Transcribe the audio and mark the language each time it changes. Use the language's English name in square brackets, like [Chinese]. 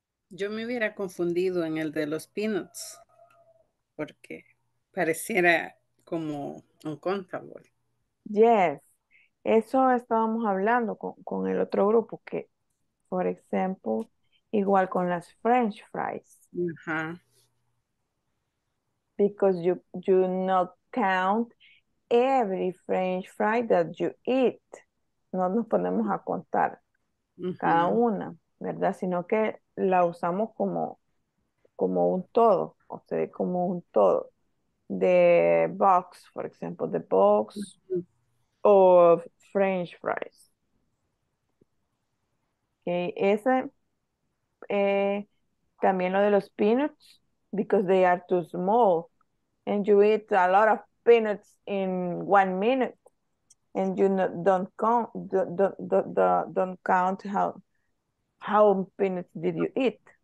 [Spanish] Yo me hubiera confundido en el de los peanuts, porque pareciera como uncountable. [English] Yes. [Spanish] Eso estábamos hablando con el otro grupo, que, por ejemplo, igual con las French fries. Uh-huh. [English] Because you not count every French fry that you eat. [Spanish] No nos ponemos a contar cada una, ¿verdad? Sino que la usamos como un todo, o sea, como un todo. [English] The box, for example, the box of French fries. [Spanish] Okay, ese también lo de los peanuts, [English] because they are too small. And you eat a lot of peanuts in 1 minute, and you don't count how peanuts did you eat.